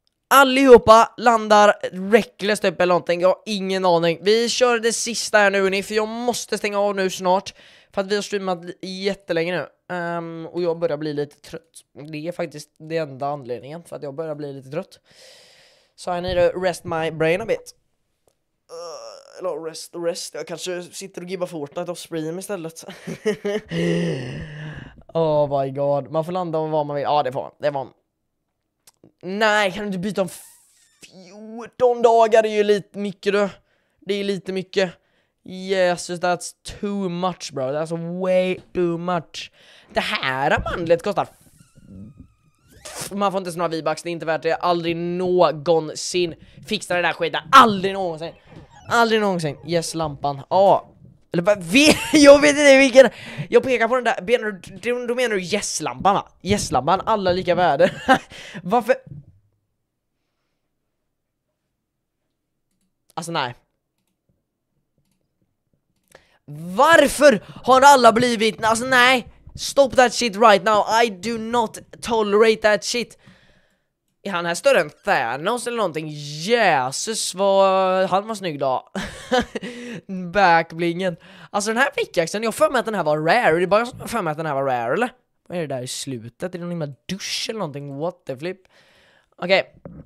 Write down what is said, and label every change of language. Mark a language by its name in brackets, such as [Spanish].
[Swedish] Allihopa landar reckless typ eller någonting. Jag har ingen aning. Vi kör det sista här nu, hörni, för jag måste stänga av nu snart. För att vi har streamat jättelänge nu. Och jag börjar bli lite trött. Det är faktiskt den enda anledningen. För att jag börjar bli lite trött. [English] Så I need to rest my brain a bit. [Swedish] Eller rest. Jag kanske sitter och gibbar Fortnite och stream istället. Oh my god. Man får landa om vad man vill. Ja, det får man. Nej, kan du inte byta om 14 dagar? Det är ju lite mycket då. Det är lite mycket. [English] Jesus, that's too much, bro. That's way too much. [Swedish] Det här mandlet kostar... Man får inte såna V-bucks. Det är inte värt det. Aldrig någonsin fixar det där skiten. Aldrig någonsin. Yes, lampan. Ja. Oh. Eller jag vet inte vilken... Jag pekar på den där. Då menar du yes-lampan, va? Yes-lampan. Alla lika värde. Varför? Alltså, nej. Varför har alla blivit... Alltså nej, [English] stop that shit right now. I do not tolerate that shit. [Swedish] Är han här större än Thanos eller någonting? Jesus, han var snygg då. Backblingen. Alltså den här pickaxen, jag för mig att den här var rare. Det är bara jag för mig att den här var rare, eller? Vad är det där i slutet? Är det någon himla dusch eller någonting? [English] What the flip? [Swedish] Okej, okay.